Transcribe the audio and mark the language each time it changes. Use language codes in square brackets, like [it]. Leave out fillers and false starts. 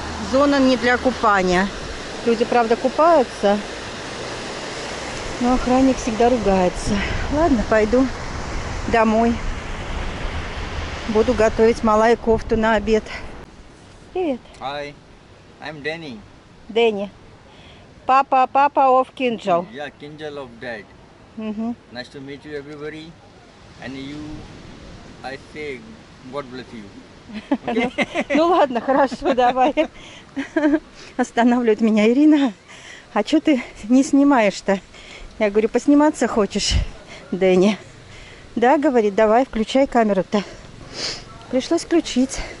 [ru] Зона не для купания. Люди, правда, купаются, но охранник всегда ругается. Ладно, пойду домой. Буду готовить малай кофту на обед. Привет. [en] Hi, I'm Danny. Danny. [ru] Папа, папа [en] of Kinjal. Yeah, Kinjal of Dad. Mm-hmm. Nice to meet you, everybody. And you, I say, God bless you. Okay. [ru] Ну, ну ладно, хорошо, давай. Останавливает меня Ирина. А что ты не снимаешь-то? Я говорю, посниматься хочешь, Дэнни? Да, говорит, давай, включай камеру-то. Пришлось включить.